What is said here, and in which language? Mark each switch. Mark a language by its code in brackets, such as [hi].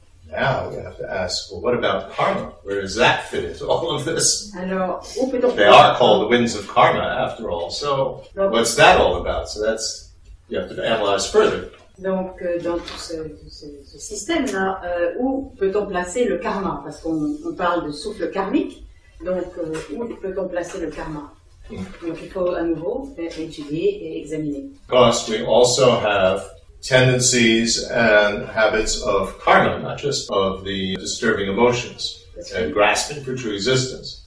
[en] Now we have to ask, well, what about karma? Where does that fit into all of this? They are called the winds of karma, after all. So what's that all about? So that's, you have to analyze further. [fr] Donc, dans tout ce système-là, où peut-on placer le karma? Parce qu'on parle de souffle karmique. Donc, où peut-on placer le karma? Donc, il faut à nouveau étudier et examiner. [en] Of course, we also have tendencies and habits of karma, not just of the disturbing emotions and grasping for true existence.